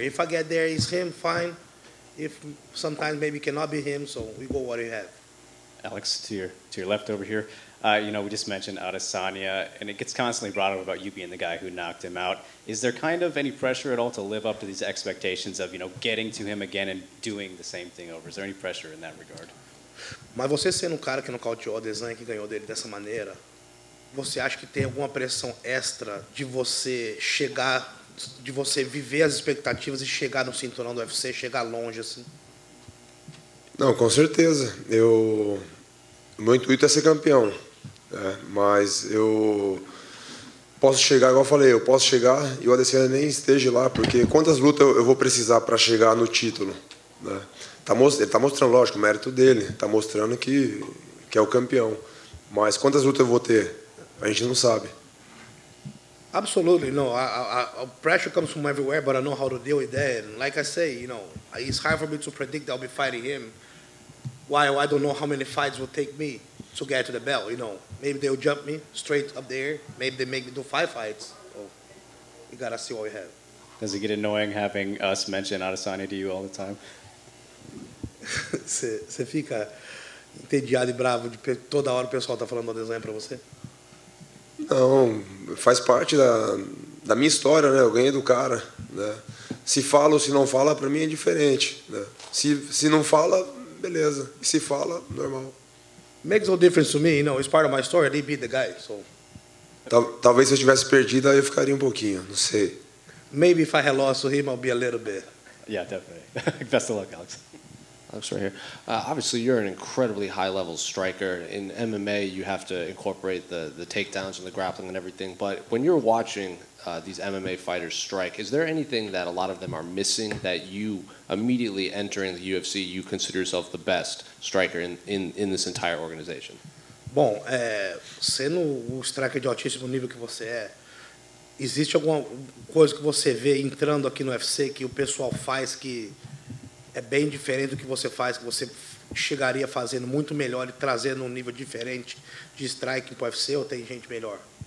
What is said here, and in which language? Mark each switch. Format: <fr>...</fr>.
<en>If I get there, it's him, fine. If sometimes maybe cannot be him, so we go what we have. Alex, to your left over here. You know, we just mentioned Adesanya, and it gets constantly brought up about you being the guy who knocked him out. Is there kind of any pressure at all to live up to these expectations of, you know, getting to him again and doing the same thing over? Is there any pressure in that regard?</en> <pt>Mas você sendo um cara que nocauteou Adesanya, que ganhou dele dessa maneira, você acha que tem alguma pressão extra de você chegar, de você viver as expectativas e chegar no cinturão do UFC, chegar longe assim? Não, com certeza. Meu intuito é ser campeão, né? Mas eu posso chegar, igual eu falei, eu posso chegar e o Adesanya nem esteja lá, porque quantas lutas eu vou precisar para chegar no título? Né? Ele está mostrando, lógico, o mérito dele. Está mostrando que é o campeão. Mas quantas lutas eu vou ter? A gente não sabe.</pt> <en>Absolutely, no. I pressure comes from everywhere, but I know how to deal with that. And like I say, you know, it's hard for me to predict that I'll be fighting him. While I don't know how many fights will take me to get to the belt, you know. Maybe they'll jump me straight up there. Maybe they make me do 5 fights. Oh, you gotta see what we have. Does it get annoying having us mention Adesanya to you all the time?</en> <pt>Você fica entediado e bravo de toda hora o pessoal tá falando Adesanya para você? Não, faz parte da minha história, né? Eu ganhei do cara, né? Se fala ou se não fala, para mim é diferente, né? Se não fala, beleza. Se fala, normal.</pt> <en>Makes no difference to me, you know, it's part of my story, they beat the guy, so...</en> <pt>Talvez se eu tivesse perdido, aí eu ficaria um pouquinho, não sei.</pt> <en>Maybe if I had lost to him, I'll be a little bit. Yeah, definitely. Best of luck, Alex. Alex, right here. Obviously, you're an incredibly high-level striker. In MMA, you have to incorporate the takedowns and the grappling and everything. But when you're watching these MMA fighters strike, is there anything that a lot of them are missing that you, immediately entering the UFC, you consider yourself the best striker in this entire organization?</en> <pt>Bom, sendo o striker de altíssimo nível que você é, existe alguma coisa que você vê entrando aqui no UFC que o pessoal faz que é bem diferente do que você faz, que você chegaria fazendo muito melhor e trazendo um nível diferente de strike para o UFC, ou tem gente melhor?</pt>